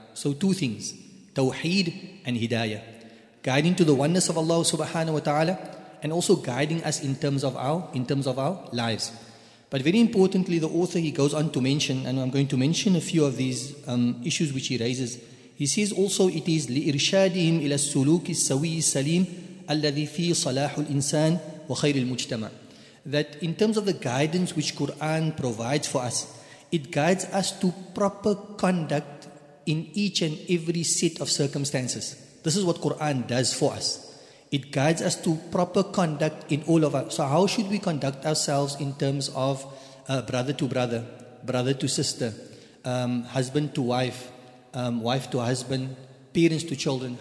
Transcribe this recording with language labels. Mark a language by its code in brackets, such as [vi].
[en] So two things: Tawheed and Hidayah, guiding to the oneness of Allah subhanahu wa ta'ala, and also guiding us in terms of our lives. But very importantly, the author, he goes on to mention, and I'm going to mention a few of these issues which he raises. He says also it is [ar] لِإِرْشَادِهِمْ إِلَى السُّلُوكِ السَّوِيِّ السَّلِيمِ الَّذِي فِي صَلَاحُ الْإِنسَانِ وَخَيْرِ الْمُجْتَمَعِ. [en] That in terms of the guidance which Quran provides for us, it guides us to proper conduct in each and every set of circumstances. This is what Quran does for us. It guides us to proper conduct in all of us. So how should we conduct ourselves in terms of brother to brother, brother to sister, husband to wife, wife to husband, parents to children?